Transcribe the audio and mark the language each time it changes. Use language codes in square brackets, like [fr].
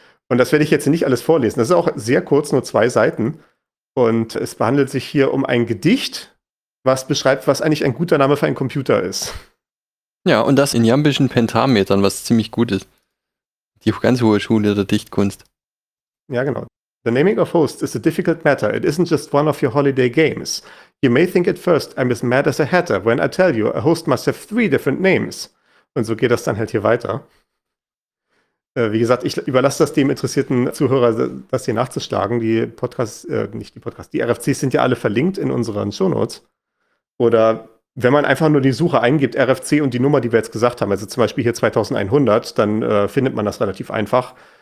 [de] Und das werde ich jetzt nicht alles vorlesen. Das ist auch sehr kurz, nur 2 Seiten. Und es behandelt sich hier um ein Gedicht, was beschreibt, was eigentlich ein guter Name für einen Computer ist. Ja, und das in jambischen Pentametern, was ziemlich gut ist. Die ganz hohe Schule der Dichtkunst. Ja, genau. [en] The naming of hosts is a difficult matter. It isn't just one of your holiday games. You may think at first I'm as mad as a hatter when I tell you a host must have 3 different names. [de] Und so geht das dann halt hier weiter. Wie gesagt, ich überlasse das dem interessierten Zuhörer, das hier nachzuschlagen. Die Podcasts, nicht die Podcasts, die RFCs sind ja alle verlinkt in unseren Shownotes. Oder wenn man einfach nur die Suche eingibt, RFC und die Nummer, die wir jetzt gesagt haben, also zum Beispiel hier 2100, dann findet man das relativ einfach.